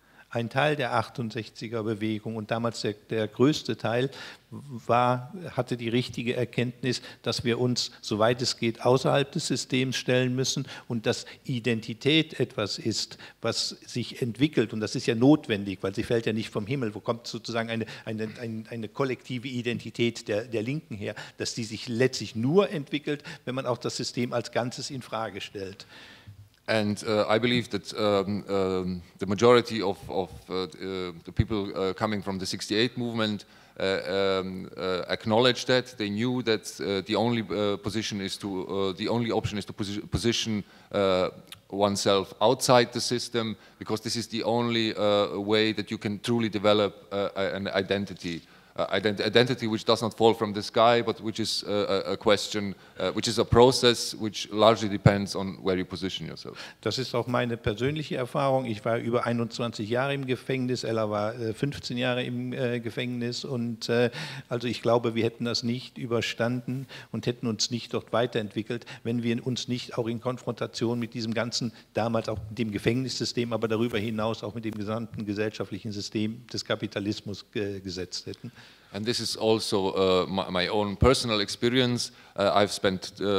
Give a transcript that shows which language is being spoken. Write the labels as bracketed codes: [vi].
[de] Ein Teil der 68er Bewegung und damals der größte Teil hatte die richtige Erkenntnis, dass wir uns, soweit es geht, außerhalb des Systems stellen müssen und dass Identität etwas ist, was sich entwickelt. Und das ist ja notwendig, weil sie fällt ja nicht vom Himmel. Wo kommt sozusagen eine kollektive Identität der Linken her, dass die sich letztlich nur entwickelt, wenn man auch das System als Ganzes in Frage stellt? [en] And I believe that the majority of the people coming from the 68 movement acknowledged that they knew that the only option is to position oneself outside the system, because this is the only way that you can truly develop an identity. Identity which does not fall from the sky, but which is a question, which is a process, which largely depends on where you position yourself. [de] Das ist auch meine persönliche Erfahrung. Ich war über 21 Jahre im Gefängnis, Ella war 15 Jahre im Gefängnis, und also ich glaube, wir hätten das nicht überstanden und hätten uns nicht dort weiterentwickelt, wenn wir uns nicht auch in Konfrontation mit diesem ganzen, damals auch mit dem Gefängnissystem, aber darüber hinaus auch mit dem gesamten gesellschaftlichen System des Kapitalismus gesetzt hätten. [en] And this is also my own personal experience. I've spent